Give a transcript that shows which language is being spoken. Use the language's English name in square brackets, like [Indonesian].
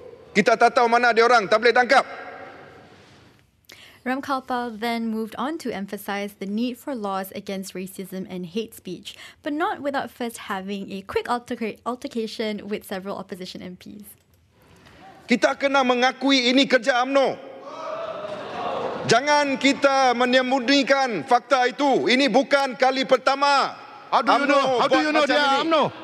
[Malay] Kita tak tahu mana dia orang, tak boleh tangkap. [English] Ram Kapal then moved on to emphasize the need for laws against racism and hate speech, but not without first having a quick altercation with several opposition MPs. [Malay] Kita kena mengakui ini kerja UMNO. Jangan kita menyembunyikan fakta itu. Ini bukan kali pertama. [English] How do you UMNO know? How do you know dia UMNO?